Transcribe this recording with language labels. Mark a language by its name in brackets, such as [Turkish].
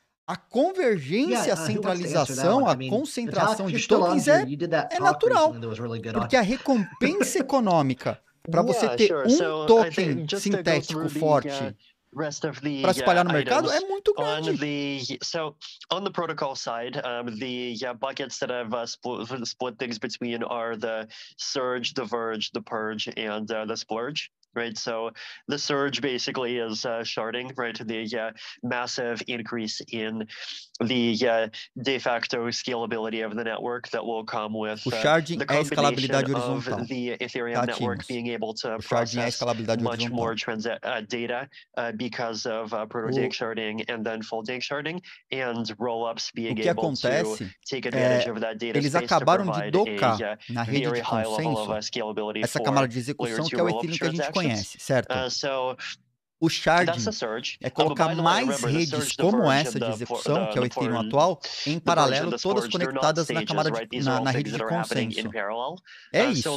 [Portuguese] A convergência, a centralização, a concentração de tokens é natural, porque a recompensa econômica para você ter um token sintético forte para espalhar no mercado é muito grande. [English] So, on the protocol side, the buckets that have split things between are the surge, the verge, the purge, and the splurge. Right, so the surge basically is sharding, right? The massive increase in the de facto scalability of the network that will come with the combination of the Ethereum network being able to process much more data because of protodank sharding and then full dank sharding and rollups being able to take advantage of that data. [Portuguese] Eles acabaram de docar na rede de consenso essa camada de execução que é o Ethereum que a gente conhece. Certo? O sharding é colocar mais redes como essa de execução, que é o Ethereum atual, em paralelo, todas conectadas na camada de, na rede de consenso. É isso.